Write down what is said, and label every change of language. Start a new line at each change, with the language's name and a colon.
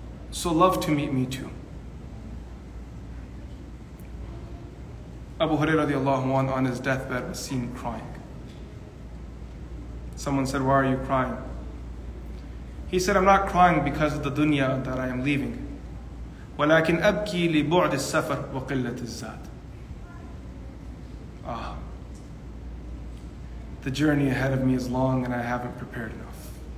English: So love to meet me too. Abu Hurairah radiallahu anhu on his deathbed was seen crying. Someone said, Why are you crying? He said, I'm not crying because of the dunya that I am leaving.
Arabic: ولكن أبكي لبعد السفر وقلة الزاد.
English: Ah, the journey ahead of me is long and I haven't prepared enough.